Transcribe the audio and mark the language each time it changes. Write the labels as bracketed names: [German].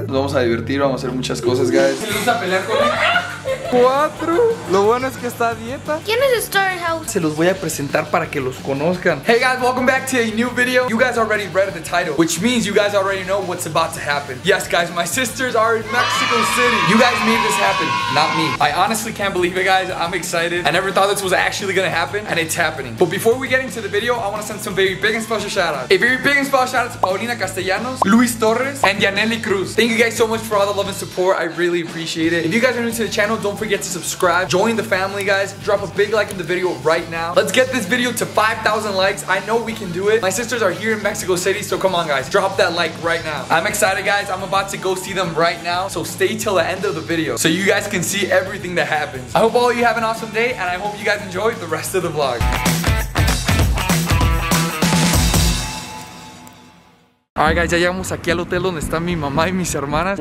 [Spanish] Nos vamos a divertir, vamos a hacer muchas cosas, guys. ¿Se los va a pelear con él? ¿Cuatro? Lo bueno es que está a dieta. ¿Quién es Story House? Se los voy a presentar para que los conozcan. [English] Hey guys, welcome back to a new video. You guys already read the title, which means you guys already know what's about to happen. Yes guys, my sisters are in Mexico City. You guys made this happen, not me. I honestly can't believe it guys, I'm excited. I never thought this was actually gonna happen, and it's happening. But before we get into the video, I wanna send some very big and special shout outs. A very big and special shout out to Paulina Castellanos, Luis Torres, and Yaneli Cruz. Thank you guys so much for all the love and support, I really appreciate it. If you guys are new to the channel, don't forget to subscribe, join the family guys, drop a big like in the video right now. Let's get this video to 5,000 likes. I know we can do it. My sisters are here in Mexico City, so come on guys, drop that like right now. I'm excited guys, I'm about to go see them right now, so stay till the end of the video so you guys can see everything that happens. I hope all of you have an awesome day, and I hope you guys enjoy the rest of the vlog. Alright guys, [Spanish] ya llegamos aquí al hotel donde están mi mamá y mis hermanas.